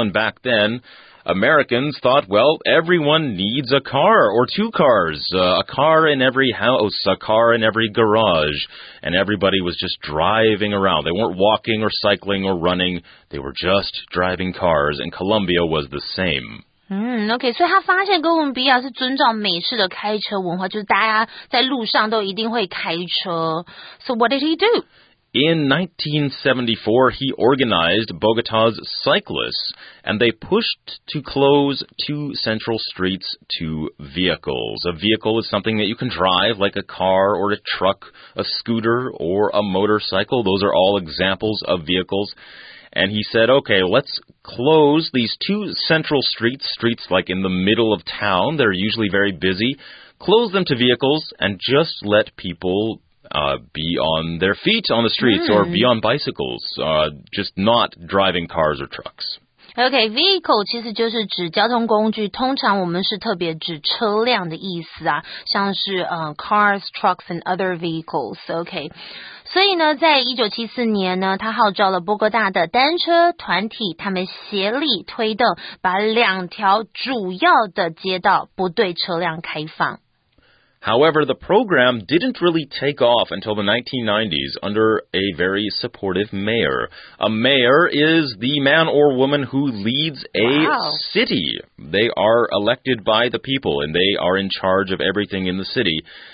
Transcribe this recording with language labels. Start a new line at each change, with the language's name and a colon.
English: And back then, Americans thought, well, everyone needs a car or two cars, a car in every house, a car in every garage. And everybody was just driving around. They weren't walking or cycling or running. They were just driving cars, and Colombia was the same.
Chinese: OK， 所以他发现哥伦比亚是遵照美式的开车文化，就是大家在路上都一定会开车。
English: So what did he do? In 1974, he organized Bogota's cyclists, and they pushed to close two central streets to vehicles. A vehicle is something that you can drive, like a car or a truck, a scooter or a motorcycle. Those are all examples of vehicles. And he said, okay, let's close these two central streets, streets like in the middle of town, they're usually very busy, close them to vehicles and just let people be on their feet on the streets or be on bicycles, just not driving cars or trucks.
Chinese: Okay, vehicle 其实就是指交通工具，通常我们是特别指车辆的意思啊，像是
English: cars, trucks, and other vehicles,
Chinese: okay. 所以呢，在1974年呢，他号召了波哥大的单车团体，他们协力推动把两条主要的街道不对车辆开放。
English: However, the program didn't really take off until the 1990s under a very supportive mayor. A mayor is the man or woman who leads a city. They are elected by the people and they are in charge of everything in the city.